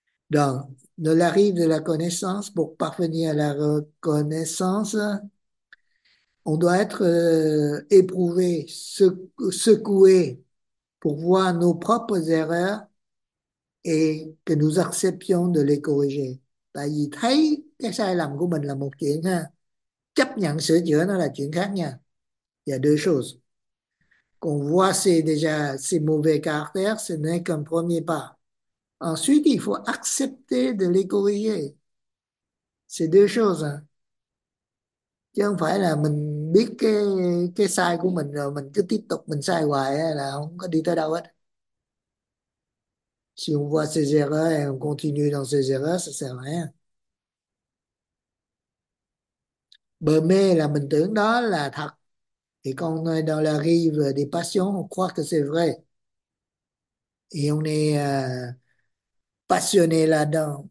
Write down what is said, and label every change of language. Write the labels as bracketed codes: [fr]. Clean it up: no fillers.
[fr] Donc, de la rive de la connaissance, pour parvenir à la reconnaissance, on doit être éprouvé, secoué, pour voir nos propres erreurs et que nous acceptions de les corriger. [vi] Tại vì thấy cái sai lầm của mình là một chuyện ha, chấp nhận sửa chữa nó là chuyện khác nha. [fr] Il y a deux choses. Qu'on voit c'est déjà ces mauvais caractères, ce n'est qu'un premier pas. Ensuite, il faut accepter de les corriger. C'est deux choses. Hein. [vi] Chứ không phải là mình biết cái sai của mình rồi mình cứ tiếp tục mình sai hoài ấy, là không có đi tới đâu hết. [fr] Si on voit ses erreurs et on continue dans ses erreurs, ça sert à rien. [vi] Bờ mê là mình tưởng đó là thật. [fr] Et quand on est dans la rive des passions, on croit que c'est vrai. Et on est passionné là-dedans.